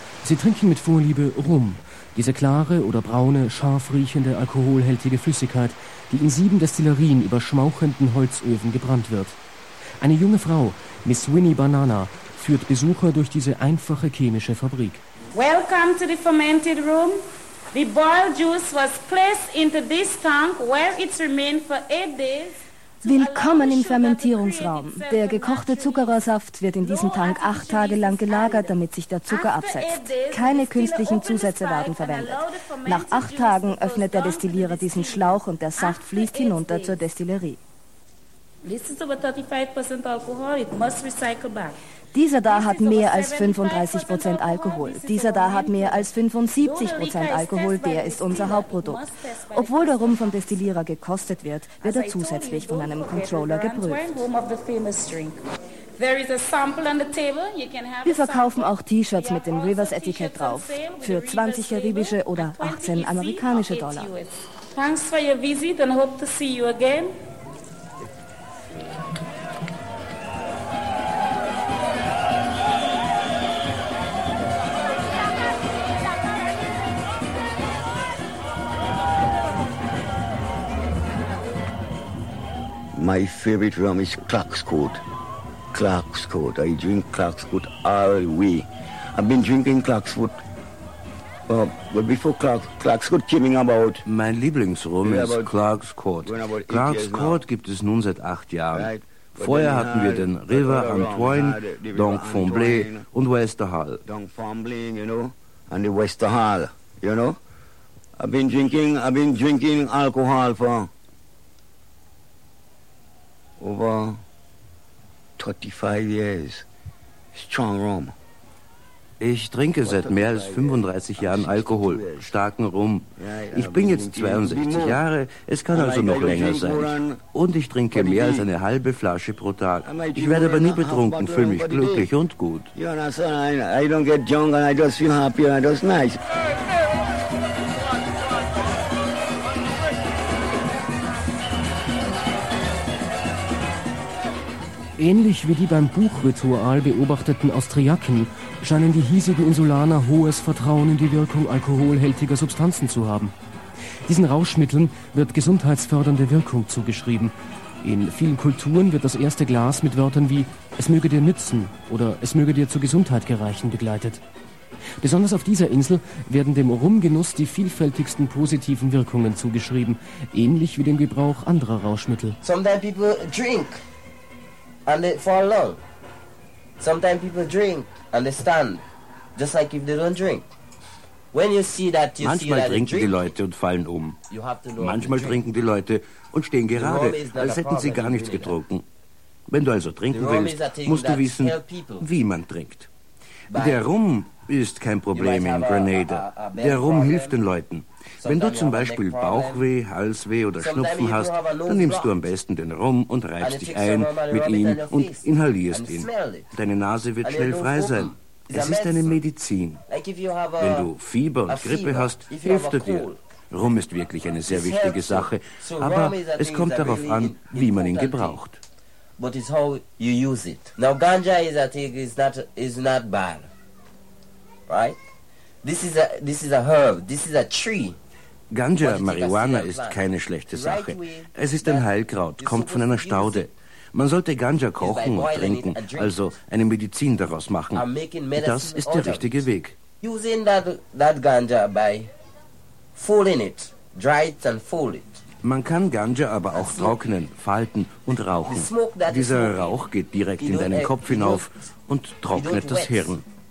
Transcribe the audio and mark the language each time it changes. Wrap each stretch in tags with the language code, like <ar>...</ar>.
<de>Sie trinken mit Vorliebe Rum, diese klare oder braune, scharf riechende, alkoholhältige Flüssigkeit, die in 7 Destillerien über schmauchenden Holzöfen gebrannt wird. Eine junge Frau, Miss Winnie Banana, führt Besucher durch diese einfache chemische Fabrik.</de> <en>Welcome to the fermented room. The boiled juice was placed into this tank where it remained for 8 days.</en> <de>Willkommen im Fermentierungsraum. Der gekochte Zuckerrohrsaft wird in diesem Tank 8 Tage lang gelagert, damit sich der Zucker absetzt. Keine künstlichen Zusätze werden verwendet. Nach 8 Tagen öffnet der Destillierer diesen Schlauch und der Saft fließt hinunter zur Destillerie.</de> <en>This is over 35% alcohol. It must recycle back.</en> <de>Dieser da hat mehr als 35% Alkohol. Dieser da hat mehr als 75% Alkohol. Der ist unser Hauptprodukt. Obwohl der Rum vom Destillierer gekostet wird, wird er zusätzlich von einem Controller geprüft. Wir verkaufen auch T-Shirts mit dem Rivers-Etikett drauf. Für 20 karibische oder 18 amerikanische Dollar.</de> <en>Thanks for your visit and hope to see you again. My favorite rum is Clark's Code. Clark's Code. I drink Clark's Code all week. I've been drinking Clark's Code. Well, before Clark's Code came about.</en> <de>Mein Lieblingsrum ist Clark's Code. Clark's Code gibt es nun seit 8 Jahren.</de> <en>Right?</en> <de>Vorher hatten wir den River Antoine, Donc Fomblé und Westerhall.</de> <en>Donc Fomblé, you know, and the Westerhall, you know. I've been drinking alcohol for over 35 years, strong rum.</en> <de>Ich trinke seit mehr als 35 Jahren Alkohol, starken Rum. Ich bin jetzt 62 Jahre, es kann also noch länger sein. Und ich trinke mehr als eine halbe Flasche pro Tag. Ich werde aber nie betrunken, fühle mich glücklich und gut.</de> <en>I don't get drunk and I just feel happy and that's nice.</en> <de>Ähnlich wie die beim Buchritual beobachteten Austriaken, scheinen die hiesigen Insulaner hohes Vertrauen in die Wirkung alkoholhältiger Substanzen zu haben. Diesen Rauschmitteln wird gesundheitsfördernde Wirkung zugeschrieben. In vielen Kulturen wird das erste Glas mit Wörtern wie »Es möge dir nützen« oder »Es möge dir zur Gesundheit gereichen« begleitet. Besonders auf dieser Insel werden dem Rumgenuss die vielfältigsten positiven Wirkungen zugeschrieben, ähnlich wie dem Gebrauch anderer Rauschmittel.</de> <en>Sometimes people drink. And they fall along. Sometimes people drink and they stand, just like if they don't drink. When you see that, you</en> <de>manchmal</de> <en>see that</en> <de>trinken</de> <en>drink,</en> <de>die Leute und fallen um. Manchmal trinken die Leute und stehen gerade, als hätten sie gar nichts getrunken. Wenn du also trinken willst, musst du wissen, wie man trinkt. Der Rum ist kein Problem in Grenada. Der Rum hilft den Leuten. Wenn du zum Beispiel Bauchweh, Halsweh oder Schnupfen hast, dann nimmst du am besten den Rum und reibst dich ein mit ihm und inhalierst ihn. Deine Nase wird schnell frei sein. Es ist eine Medizin. Wenn du Fieber und Grippe hast, hilft er dir. Rum ist wirklich eine sehr wichtige Sache, aber es kommt darauf an, wie man ihn gebraucht.</de> <en>But it's how you use it. Now, ganja is a thing, is not bad, right? This is a herb, this is a tree.</en> <de>Ganja, Marihuana, ist keine schlechte Sache. Es ist ein Heilkraut, kommt von einer Staude. Man sollte Ganja kochen und trinken, also eine Medizin daraus machen. Das ist der richtige Weg.</de> <en>Using that ganja by fooling it, dry it and fool it.</en> <de>Man kann Ganja aber auch trocknen, falten und rauchen. Dieser Rauch geht direkt in deinen Kopf hinauf und trocknet das Hirn.</de>